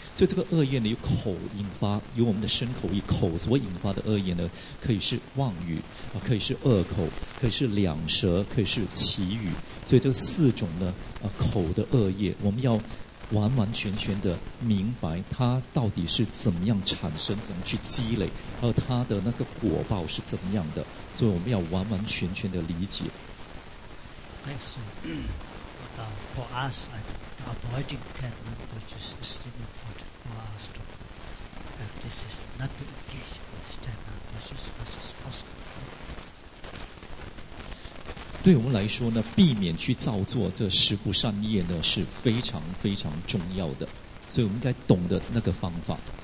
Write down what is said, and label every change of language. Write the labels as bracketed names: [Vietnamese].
[Chinese] 所以这个恶业呢，由口引发，由我们的身口意口所引发的恶业呢，可以是妄语，可以是恶口，可以是两舌，可以是绮语。所以这四种呢，口的恶业，我们要完完全全的明白它到底是怎么样产生，怎么去积累，而它的那个果报是怎么样的，所以我们要完完全全的理解。 [English] Okay, so, but, for us, like, avoiding 10 unvirtues is extremely important for us to practice is not to engage with these 10 unvirtues as is possible. [Chinese] 对我们来说呢，避免去造作这十不善业呢是非常非常重要的，所以我们应该懂得那个方法。